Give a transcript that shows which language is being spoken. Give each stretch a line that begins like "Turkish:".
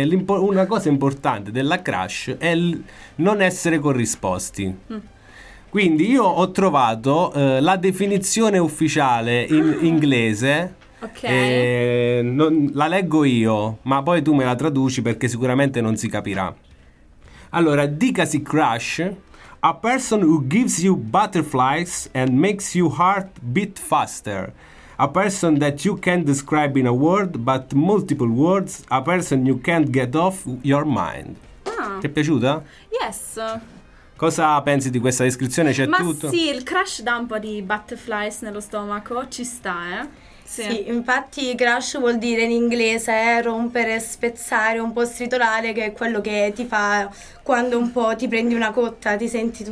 Italian: Una cosa importante della crush è non essere corrisposti. Quindi io ho trovato la definizione ufficiale in inglese. Ok. Non, la leggo io, ma poi tu me la traduci perché sicuramente non si capirà. Allora, dicasi
English: crush, a person who gives you butterflies and makes your heart beat faster. A person that you can't describe in a word, but multiple words. A person you can't get off your mind.
Italian: Ti è piaciuta?
English: Yes.
Italian: Cosa pensi di questa descrizione? C'è ma tutto? Ma sì, il crush dà un po' di butterflies nello stomaco, ci sta, eh? Sì. Sì, infatti crush vuol dire in inglese rompere, spezzare, un po' stritolare, che è quello che ti fa quando un po' ti prendi una cotta, ti senti tutto...